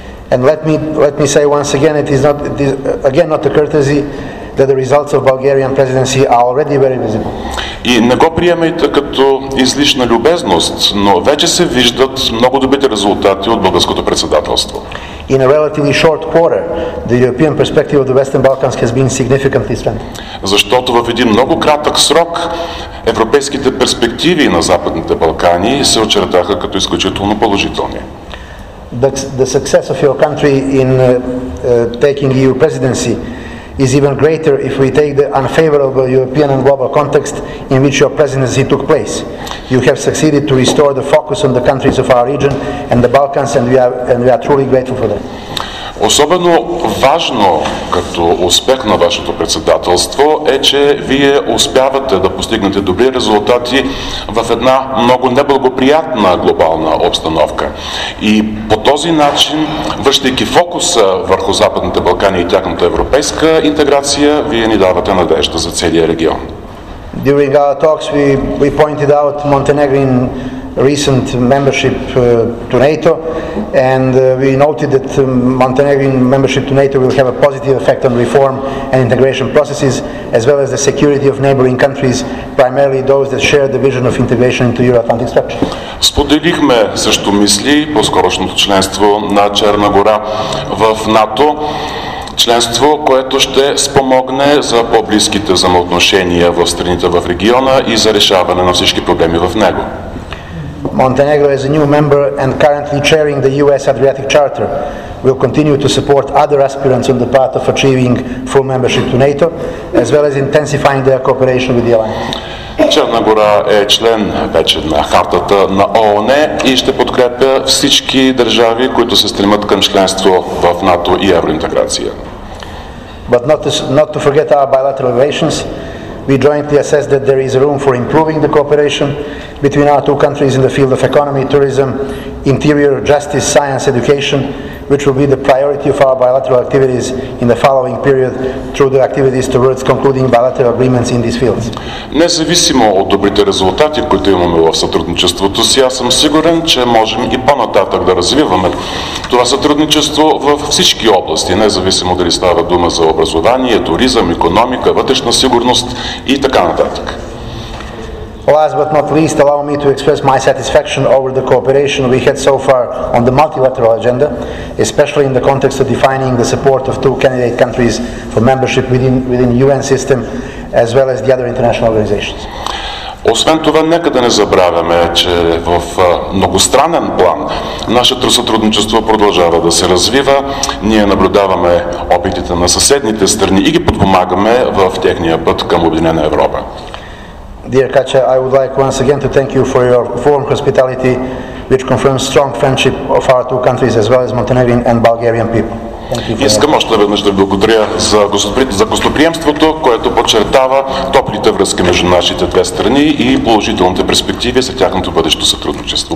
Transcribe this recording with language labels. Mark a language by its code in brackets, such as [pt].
[en] And let me say once again, it is not a courtesy that the results of Bulgarian presidency are already very visible. [bg] И не го приемайте като излишна любезност, но вече се виждат много добрите резултати от българското председателство. [en] In a relatively short quarter, the European perspective of the Western Balkans has been significantly strengthened. [bg] Защото в един много кратък срок европейските перспективи на Западните Балкани се очертаха като изключително положителни. [en] The success of your country in taking EU presidency is even greater if we take the unfavorable European and global context in which your presidency took place. You have succeeded to restore the focus on the countries of our region and the Balkans, and we are truly grateful for that. [bg] Особено важно като успех на вашето председателство е, че вие успявате да постигнете добри резултати в една много неблагоприятна глобална обстановка. И по този начин, връщайки фокуса върху Западните Балкани и тяхната европейска интеграция, вие ни давате надежда за целия регион. [en] During our talks we pointed out Montenegrin recent membership to NATO, and we noted that Montenegrin membership to NATO will have a positive effect on reform and integration processes, as well as the security of neighboring countries, primarily those that share the vision of integration into Euro-Atlantic structure. [bg] Споделихме също мисли по скорошното членство на Черна гора в НАТО, членство, което ще спомогне за по-близките взаимоотношения в страните в региона и за решаване на всички проблеми в него. [en] Montenegro, as a new member and currently chairing the US Adriatic Charter, will continue to support other aspirants on the path of achieving full membership to NATO, as well as intensifying their cooperation with the alliance. [bg] Черна гора е член вече на хартата на ООН и ще подкрепя всички държави, които се стремят към членство в НАТО и евроинтеграция. [en] But not to forget our bilateral relations. We jointly assess that there is room for improving the cooperation between our two countries in the field of economy, tourism, interior, justice, science, education, which will be the priority of our bilateral activities in the following period through the activities towards concluding bilateral agreements in these fields. [bg] Независимо от добрите резултати, които имаме в сътрудничеството си, аз съм сигурен, че можем и по-нататък да развиваме това сътрудничество в всички области, независимо дали става дума за образование, туризъм, економика, вътрешна сигурност и така нататък. [en] Last but not least, allow me to express my satisfaction over the cooperation we had so far on the multilateral agenda, especially in the context of defining the support of two candidate countries for membership within the UN system, as well as the other international organizations. [bg] Освен това, нека да не забравяме, че в многостранен план нашето сътрудничество продължава да се развива. Ние наблюдаваме опитите на съседните страни и ги подпомагаме в техния път към Обединена Европа. [en] Dear Katja, I would like once again to thank you for your warm hospitality, which confirms strong friendship of our two countries as well as Montenegrin and Bulgarian people. [bg] Искам още веднъж да благодаря за гостоприемството, което подчертава топлите връзки между нашите две страни и положителните перспективи за тяхното бъдещо сътрудничество.